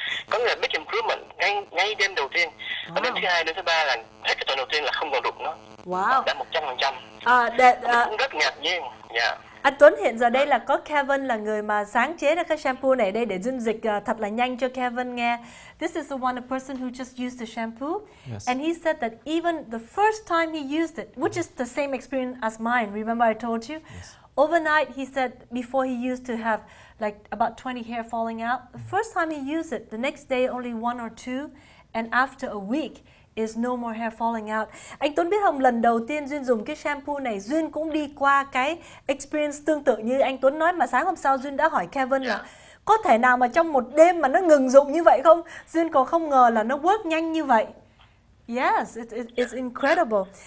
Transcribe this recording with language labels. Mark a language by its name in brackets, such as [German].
[Vietnamese] Có nghĩa là [English] big improvement [Vietnamese] ngay đêm đầu tiên. Và đêm thứ hai, đêm thứ ba là hết cái tuần đầu tiên là không còn rụng nữa. Đã 100%. Cũng rất ngạc nhiên. Anh Tuấn, hiện giờ đây là có Kevin là người mà sáng chế ra cái shampoo này đây, để dung dịch thật là nhanh cho Kevin nghe. [English] This is the one, the person who just used the shampoo. Yes. And he said that even the first time he used it, which is the same experience as mine, remember I told you? Yes. Overnight, he said, before he used to have like about 20 hair falling out, the first time he used it, the next day only one or two, and after a week, is no more hair falling out. [Vietnamese] Anh Tuấn biết không, lần đầu tiên Duyên dùng cái shampoo này, Duyên cũng đi qua cái experience tương tự như anh Tuấn nói, mà sáng hôm sau Duyên đã hỏi Kevin là có thể nào mà trong một đêm mà nó ngừng dùng như vậy không? Duyên còn không ngờ là nó work nhanh như vậy. [English] Yes, it's incredible.